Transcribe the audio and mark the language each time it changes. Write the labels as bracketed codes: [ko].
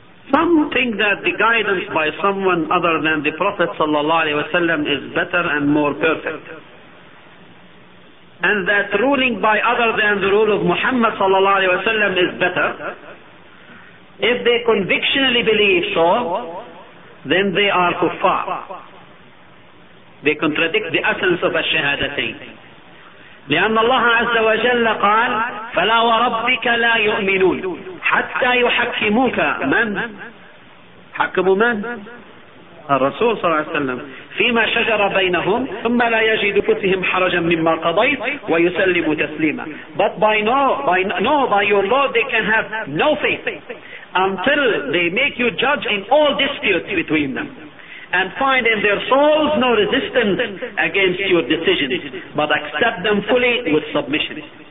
[en] Some think that the guidance by someone other than the Prophet ﷺ is better and more perfect, and that ruling by other than the rule of Muhammad ﷺ is better. If they convictionally believe so, then they are kuffar. They contradict the essence of ash-shahadatayn. [ar] لأن الله عز وجل قال فلا وربك لا يؤمنون حتى يحكموك. من حكموا؟ من الرسول صلى الله عليه وسلم فيما شجر بينهم ثم لا يجد كفهم حرجا مما قضيت ويسلم تسليما. [en] But by your Lord they can have no faith until they make you judge in all disputes between them and find in their souls no resistance against your decisions, but accept them fully with submission.